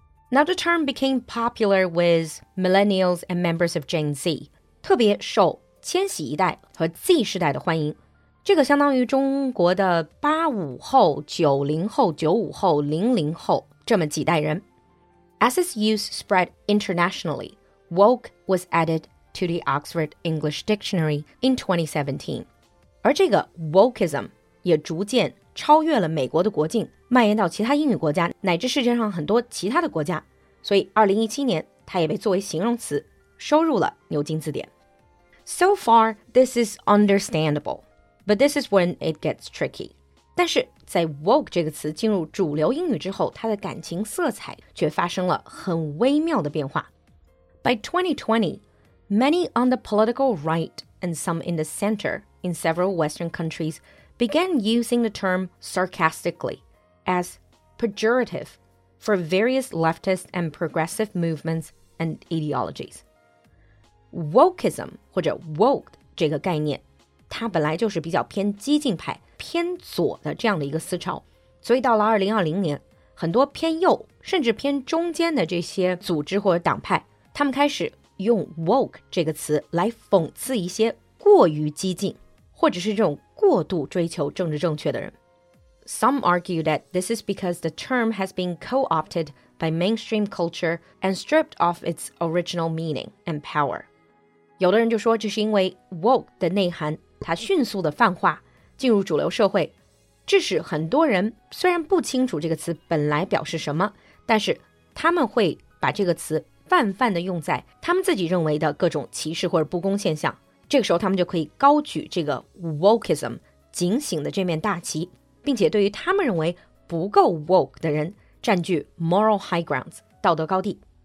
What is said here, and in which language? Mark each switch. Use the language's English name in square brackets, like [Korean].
[English] Now the term became popular with millennials and members of Gen Z， [Chinese] 特别受千禧一代和 Z 世代的欢迎。这个相当于中国的85后、90后、95后、00后这么几代人。 [English] As its use spread internationally, woke was added to the Oxford English Dictionary in 2017. [Chinese] 而这个 wokeism 也逐渐超越了美国的国境，蔓延到其他英语国家乃至世界上很多其他的国家。所以2017年它也被作为形容词收入了牛津字典。 [English] So far, this is understandable.But this is when it gets tricky. [Chinese] 但是在 woke 这个词进入主流英语之后，它的感情色彩却发生了很微妙的变化。 [English] By 2020, many on the political right and some in the center in several Western countries began using the term sarcastically as pejorative for various leftist and progressive movements and ideologies. [Chinese] Wokeism 或者 woke 这个概念，它本来就是比较偏激进派、偏左的这样的一个思潮，所以到了2020年，很多偏右甚至偏中间的这些组织或者党派，他们开始用 woke 这个词来讽刺一些过于激进或者是这种过度追求政治正确的人。 [English] Some argue that this is because the term has been co-opted by mainstream culture and stripped off its original meaning and power. [Chinese] 有的人就说这是因为 woke 的内涵它迅速的泛化进入主流社会，致使很多人虽然不清楚这个词本来表示什么，但是他们会把这个词泛泛的用在他们自己认为的各种歧视或者不公现象，这个时候他们就可以高举这个 wokeism 警醒的这面大旗，并且对于他们认为不够 woke 的人占据 [English] moral high grounds [Chinese] 道德高地。